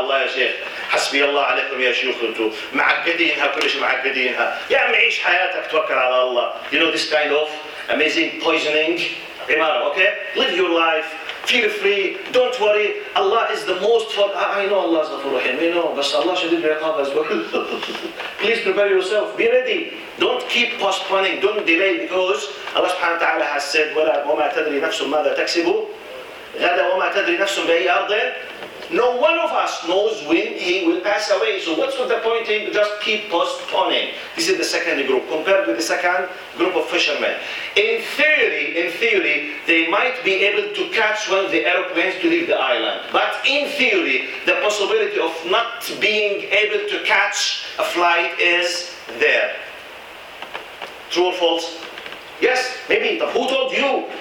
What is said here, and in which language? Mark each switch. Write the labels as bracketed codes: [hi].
[ar] الله يا شيخ حسبي الله عليكم يا شيوخ, انتم معقدينها, كلش معقدينها. يا عم عيش حياتك, توكل على الله. [en] You know this kind of amazing poisoning [ar] عبارة, [en] okay? Live your life, feel free, don't worry. Allah is the most for, I know Allah is [ar] غفور رحيم, [en] you know, [ar] بس الله شديد العقاب [en] as well. Please prepare yourself, be ready. Don't keep postponing, don't delay, because Allah [ar] سبحانه وتعالى [en] has said, [ar] وما تدري نفس ماذا تكسب غدا وما تدري نفس بأي أرض. [en] No one of us knows when he will pass away. So what's the point in just keep postponing? This is the second group compared with the second group of fishermen. In theory, they might be able to catch one of the aeroplanes to leave the island. But in theory, the possibility of not being able to catch a flight is there. True or false? Yes, maybe. Who told you?